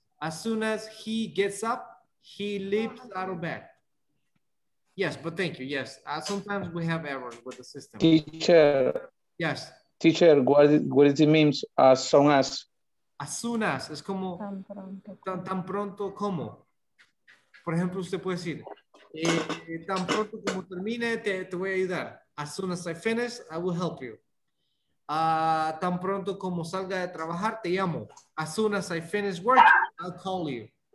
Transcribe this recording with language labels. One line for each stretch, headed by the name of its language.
English: As soon as he gets up, he leaps out of bed. Yes, but thank you, yes. Sometimes we have errors with the system. Teacher. Yes. Teacher, what is it means as soon as?
Spanish: As soon as, es como tan pronto como. Por ejemplo, usted puede decir, tan pronto como termine, te voy a ayudar.
English: As soon as I finish, I will help you.
Spanish: Tan pronto como salga de trabajar, te llamo.
English: As soon as I finish work, I'll call you.